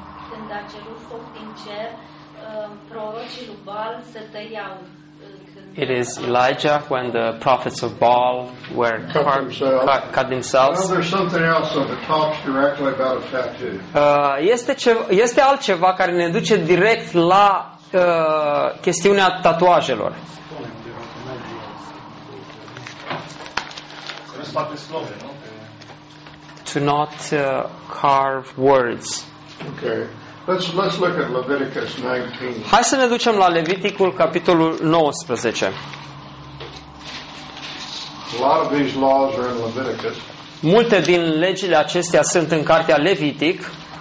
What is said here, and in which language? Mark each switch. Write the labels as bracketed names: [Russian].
[Romanian] Când a cerut foc din cer, prorocii lui Baal se tăiau. [English] It is Elijah when the prophets of Baal were cut themselves. Well, there's something else that talks directly about a tattoo. [Romanian] Este altceva care ne duce direct la chestiunea tatuajelor. [English] To not carve words. Okay. Let's look at Leviticus 19. [Romanian] Hai să ne ducem la Leviticul capitolul 19. [English] A lot of these laws are in Leviticus. [Romanian] Multe din legile acestea sunt în cartea Levitic.